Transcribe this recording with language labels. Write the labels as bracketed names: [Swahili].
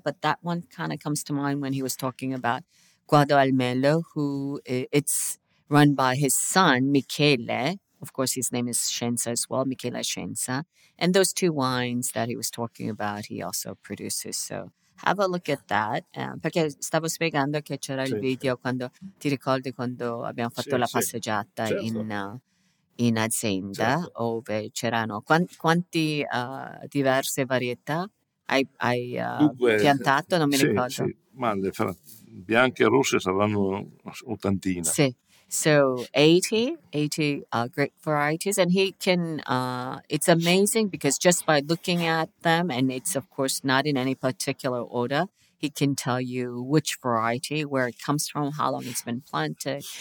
[English] But that one kind of comes to mind when he was talking about Guadalmelo, who it's run by his son, Michele. Of course, his name is Scienza as well, Michele Scienza. And those two wines that he was talking about, he also produces. So have a look at that. [Italian] Perché stavo spiegando che c'era il video quando ti ricordi quando abbiamo fatto la passeggiata in azienda, dove c'erano quanti diverse varietà hai piantato, non mi ricordo. Sì. Ma le bianche e rosse saranno ottantina. Sì. [English] So 80 grape varieties, and he can, it's amazing because just by looking at them, and it's of course not in any particular order, he can tell you which variety, where it comes from, how long it's been planted.